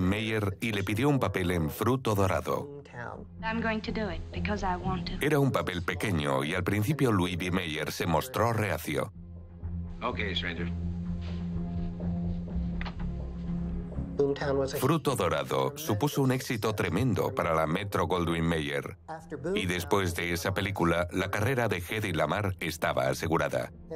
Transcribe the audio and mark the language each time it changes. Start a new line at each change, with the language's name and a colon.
Spanish: Mayer y le pidió un papel en Fruto Dorado.
English: I'm going to do it because I want to.
Spanish: Era un papel pequeño y al principio Louis B. Mayer se mostró reacio.
English: Okay, stranger.
Spanish: Fruto Dorado supuso un éxito tremendo para la Metro-Goldwyn-Mayer. Y después de esa película, la carrera de Hedy Lamarr estaba asegurada.